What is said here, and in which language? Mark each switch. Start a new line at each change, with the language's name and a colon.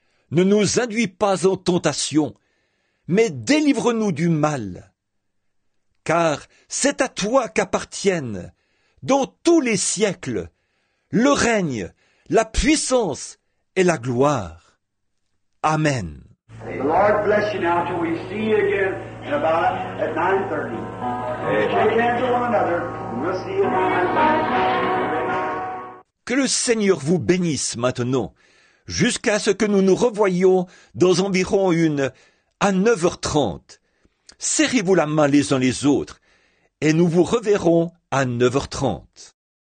French: Ne nous induis pas en tentation, mais délivre-nous du mal. Car c'est à toi qu'appartiennent, dans tous les siècles, le règne, la puissance et la gloire. Amen.
English: The Lord bless you now until we see you again in about at 9:30. Shake hands with one another and we'll see you at 9:30.
French: Que le Seigneur vous bénisse maintenant, jusqu'à ce que nous nous revoyions dans environ une à 9:30. Serrez-vous la main les uns les autres, et nous vous reverrons à 9:30.